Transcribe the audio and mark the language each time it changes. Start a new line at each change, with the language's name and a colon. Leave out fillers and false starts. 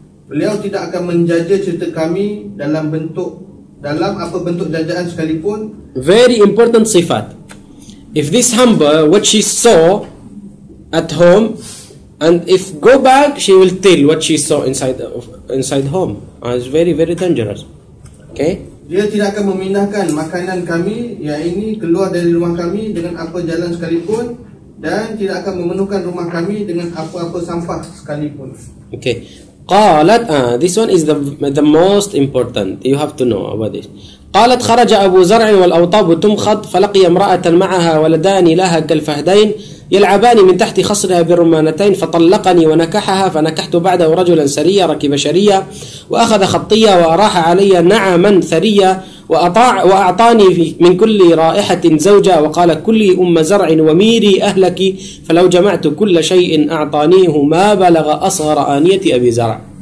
Malay: Beliau tidak akan menjaja cerita kami dalam apa bentuk jajaan sekalipun.
English: Very important sifat. If this humble, what she saw at home, and if go back, she will tell what she saw inside home. It's very very dangerous. Okay.
Malay: Dia tidak akan memindahkan makanan kami, yaitu keluar dari rumah kami dengan apa jalan sekalipun, dan tidak akan memenuhkan rumah kami dengan apa-apa sampah sekalipun.
English: Okay.
Arabic: قالت
English: this one is the most important, you have to know about this.
Arabic: قالت خرج أبو زرع والأوطاب تمخض فلقي امرأة معها ولدان لها كالفهدين يلعبان من تحت خصرها برمانتين فطلقني ونكحها فنكحت بعده رجلا سريا ركب شريا وأخذ خطية وأراح علي نعما ثريا وأعطاني من كل رائحة زوجة وقال كلي أم زرع وميري أهلك فلو جمعت كل شيء أعطانيه ما بلغ أصغر آنية أبي زرع.